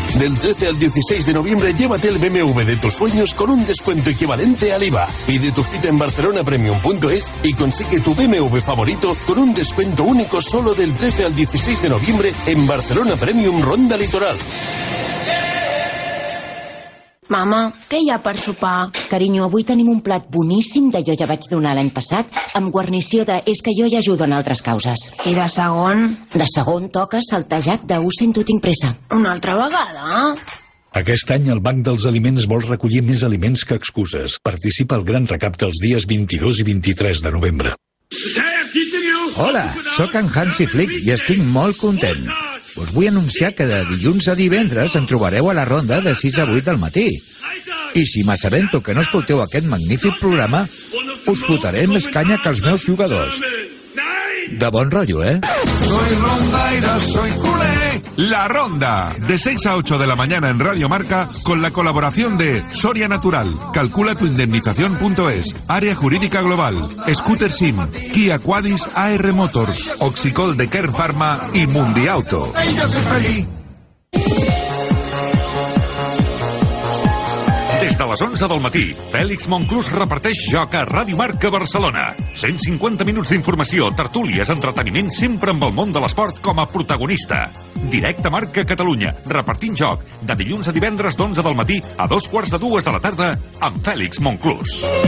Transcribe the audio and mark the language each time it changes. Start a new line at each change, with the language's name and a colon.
Spanish: Del 13 al 16 de noviembre, llévate el BMW de tus sueños con un descuento equivalente al IVA. Pide tu cita en barcelonapremium.es y consigue tu BMW favorito con un descuento único solo del 13 al 16 de noviembre en Barcelona Premium Ronda Litoral.
Catalan: Mama, què hi ha per sopar? Carinyo, avui tenim un plat boníssim de jo ja vaig donar l'any passat amb guarnició de és que jo hi ajudo en altres causes. I de segon? De segon toca saltejat de ho sento, tinc pressa. Una altra vegada? Aquest any el Banc dels Aliments vol recollir més aliments que excuses. Participa al Gran Recapte els dies 22 i 23 de novembre. Hola, sóc en Hansi Flick i estic molt content. Us vull anunciar que de dilluns a divendres en trobareu a la ronda de 6 a 8 del matí. I si m'assabento que no escolteu aquest magnífic programa, us fotré més canya que els meus jugadors. De bon rotllo, eh?
Spanish: Soy rondaire, soy culé. La ronda, de 6 a 8 de la mañana en Radio Marca, con la colaboración de Soria Natural, calculatuindemnización.es, Área Jurídica Global, Scooter Sim, Kia Quadis AR Motors, Oxicol de Kern Pharma y Mundiauto.
Catalan: Des de les 11 del matí, Fèlix Monclús reparteix joc a Ràdio Marca Barcelona. 150 minuts d'informació, tertúlies, entreteniment, sempre amb el món de l'esport com a protagonista. Directe Marca Catalunya, repartint joc, de dilluns a divendres d'11 del matí a 2:15 de la tarda, amb Fèlix Monclús.